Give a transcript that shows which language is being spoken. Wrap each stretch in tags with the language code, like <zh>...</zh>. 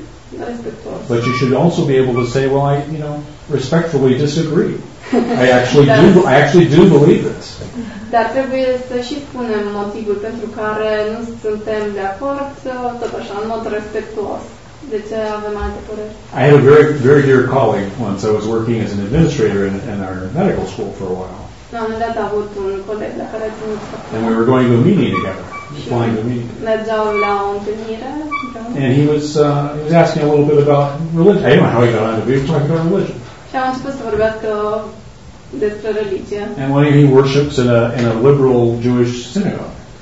<en>But you should also be able to say, well, I respectfully disagree. I actually do believe this.</en> <ro>Dar trebuie să și spunem motivul pentru care nu suntem de acord, tot așa, în mod respectuos. De ce avem alte păreri?</ro> <en>I had a very, very dear colleague once. I was working as an administrator in our medical school for a while.</en> <ro>La un moment dat a avut un coleg la care a ținut faptul.</ro> <en>And we were going to a meeting together. Flying to a meeting.</en> <ro>Mergeau la o întâlnire.</ro> <en>And he was asking a little bit about religion. I don't know how he got on to be talking about religion.</en> <ro>Și am început să vorbească despre religie.</ro> <en>And when he worships in a liberal Jewish synagogue.</en>